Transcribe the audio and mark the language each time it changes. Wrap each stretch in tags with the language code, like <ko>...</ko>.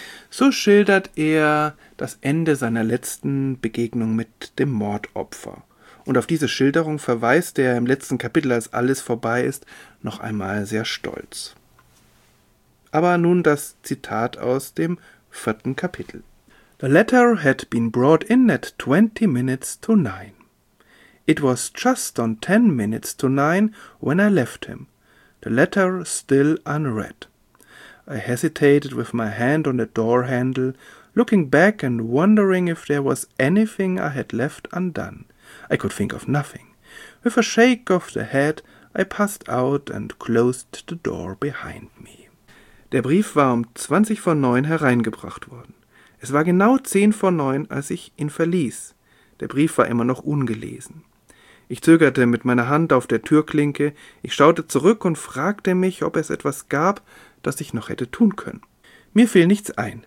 <de>So schildert er das Ende seiner letzten Begegnung mit dem Mordopfer. Und auf diese Schilderung verweist er im letzten Kapitel, als alles vorbei ist, noch einmal sehr stolz. Aber nun das Zitat aus dem 4. Kapitel.</de> <en>The letter had been brought in at 9:20. It was just on 9:10 when I left him, the letter still unread. I hesitated with my hand on the door handle, looking back and wondering if there was anything I had left undone. I could think of nothing. With a shake of the head, I passed out and closed the door behind me.</en> <de>Der Brief war um 9:20 hereingebracht worden. Es war genau 9:10, als ich ihn verließ. Der Brief war immer noch ungelesen. Ich zögerte mit meiner Hand auf der Türklinke, ich schaute zurück und fragte mich, ob es etwas gab, das ich noch hätte tun können. Mir fiel nichts ein.</de>